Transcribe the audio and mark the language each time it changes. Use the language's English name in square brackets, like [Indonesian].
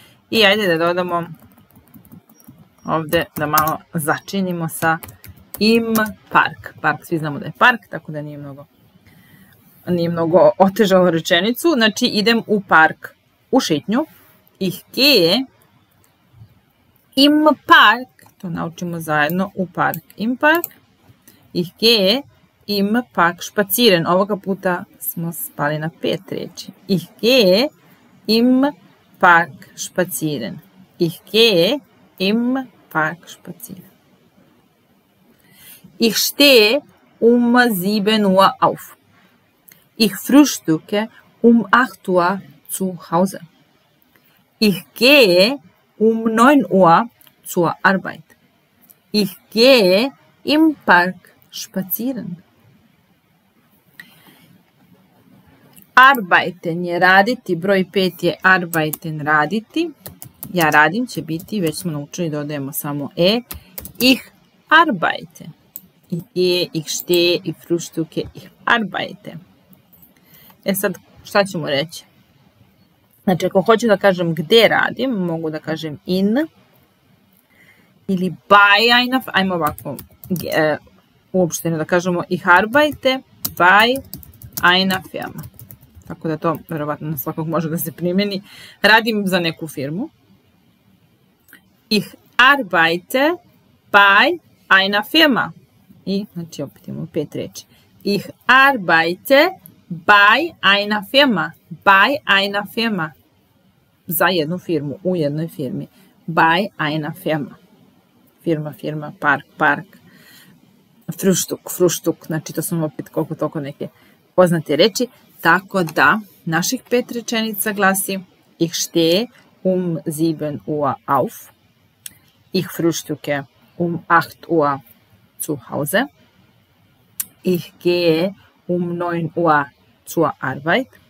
[Serbian] I ajde da dodamo ovde da malo začinimo sa [German] im park. [Serbian] Park, svi znamo da je park, tako da nije mnogo otežalo rečenicu. Znači, idem u park u šetnju. [German] Ich gehe im park. [Serbian] To naučimo zajedno u park. [German] Im park. Ich gehe im park špaciren. [Serbian] Ovoga puta smo spali na 5 reči. [German] Ich gehe im park špaciren. Ich gehe im park špaciren. Ich stehe um 7 Uhr auf. Ich frühstücke um 8 Uhr zu Hause. Ich gehe um 9 Uhr zur Arbeit. Ich gehe im Park spazieren. [Serbian] Arbeiten je raditi. Broj 5 je arbeiten raditi. Ja radim će biti, već smo naučili, dodajemo samo e. [German] Ich arbeite. Ich stehe, ich frühstücke, ich arbeite. [Serbian] E sad, šta ćemo reći? Znači, ako hoću da kažem gde radim, mogu da kažem in ili bei einer, ajmo ovako, uopšteno da kažemo [German] ich arbeite bei einer Firma. [Serbian] Tako da to, verovatno, na svakog može da se primjeni. Radim za neku firmu. [German] Ich arbeite bei einer Firma. [Serbian] I, znači opet imamo 5 reči. [German] Ich arbeite bei einer Firma. Bei einer Firma. [Serbian] Za jednu firmu, u jednoj firmi. [German] Bei einer Firma. Firma, park. Frühstück. [Serbian] Znači to su opet koliko toliko neke poznate reči. Tako da, naših 5 rečenica glasi [German] Ich stehe um 7 Uhr auf. Ich frühstücke um 8 Uhr zu Hause. Ich gehe um 9 Uhr zur Arbeit.